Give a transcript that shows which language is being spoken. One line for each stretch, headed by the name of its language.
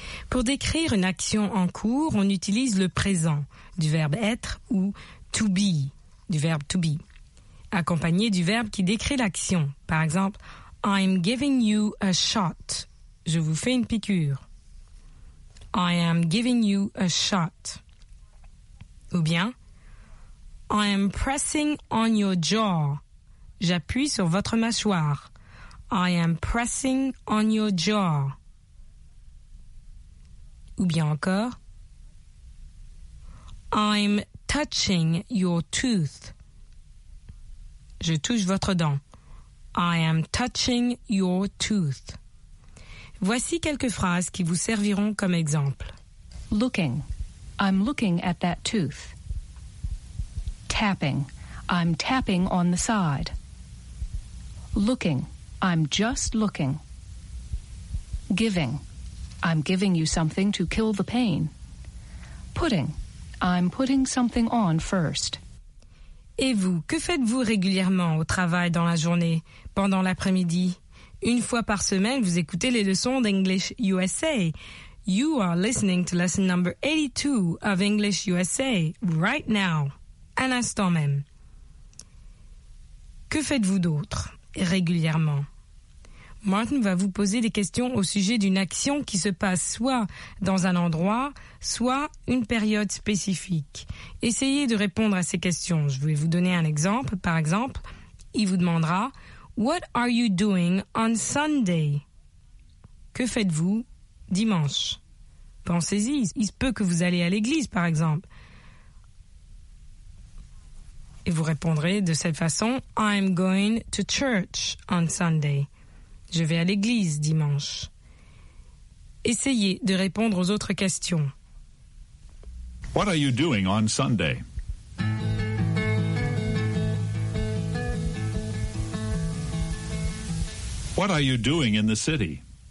French: Pour décrire une action en cours, on utilise le présent du verbe être ou to be, du verbe to be, accompagné du verbe qui décrit l'action. Par exemple,
English: I'm giving you a shot.
French: Je vous fais une piqûre.
English: I am giving you a shot.
French: Ou bien,
English: I am pressing on your jaw.
French: J'appuie sur votre mâchoire.
English: I am pressing on your jaw.
French: Ou bien encore,
English: I'm touching your tooth.
French: Je touche votre dent.
English: I am touching your tooth.
French: Voici quelques phrases qui vous serviront comme exemple.
English: Looking. I'm looking at that tooth. Tapping. I'm tapping on the side. Looking. I'm just looking. Giving. I'm giving you something to kill the pain. Putting. I'm putting something on first.
French: Et vous, que faites-vous régulièrement au travail dans la journée, pendant l'après-midi? Une fois par semaine, vous écoutez les leçons d'English USA.
English: You are listening to lesson number 82 of English USA right now.
French: À l'instant même. Que faites-vous d'autre régulièrement? Martin va vous poser des questions au sujet d'une action qui se passe soit dans un endroit, soit une période spécifique. Essayez de répondre à ces questions. Je vais vous donner un exemple. Par exemple, il vous demandera «
English: What are you doing on Sunday?
French: » Que faites-vous dimanche? Pensez-y. Il se peut que vous allez à l'église, par exemple. Et vous répondrez de cette façon «
English: I'm going to church on Sunday.
French: » Je vais à l'église dimanche. Essayez de répondre aux autres questions.
English: What are you doing on Sunday? What are you doing in the city?